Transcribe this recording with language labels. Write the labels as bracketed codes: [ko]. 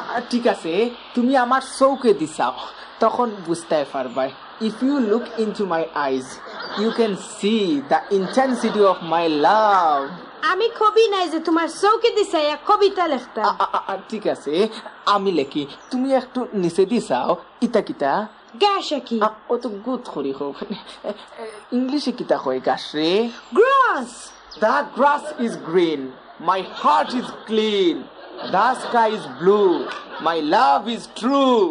[bn] ঠিক আছে, তুমি আমার চৌকে দিছাও, তখন বুঝতে পারবাই। [en] If you look into my eyes, you can see the intensity of my love. [bn] আমি কবি নাই যে তোমার চৌকে দিছাই কবিতা লেখতা। ঠিক আছে, আমি লেখি, তুমি একটু নিচে দিছাও। ইতা কিতা গাশে কি? ও তো গুত খরি হো, ইংলিশে কিতা কয় গাছ রে? [en] Grass. The grass is green, my heart is clean, the sky is blue, my love is true.